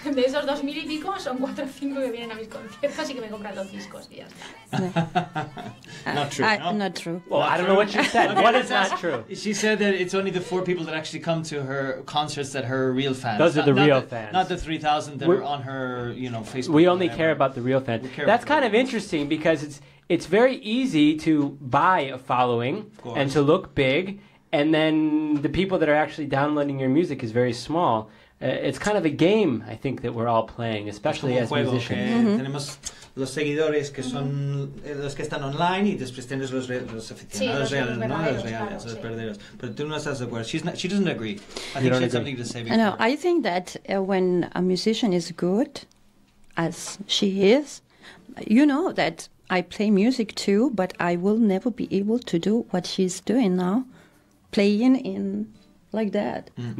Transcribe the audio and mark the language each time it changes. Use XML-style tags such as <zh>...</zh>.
<es>De esos 2,000 y pico, son 4 o 5 que vienen a mis conciertos y que me compran los discos y ya está.</es> <en>Not true. Not true. Well, not I don't know what she said. Okay. What is not true? She said that it's only the 4 people that actually come to her concerts that her real fans. Those are the real fans. Not the 3,000 that are on her, you know, Facebook. We only care about the real fans. That's kind of interesting because it's very easy to buy a following and to look big, and then the people that are actually downloading your music is very small. It's kind of a game, I think, that we're all playing, especially as musicians.</en> <es>Los seguidores que son los que están online y después tienes los aficionados reales, no los reales, los perdedores. Pero tú no estás de acuerdo.</es> <en>She doesn't agree. I think that when a musician is good, as she is, you know that I play music too, but I will never be able to do what she's doing now, playing in like that.</en>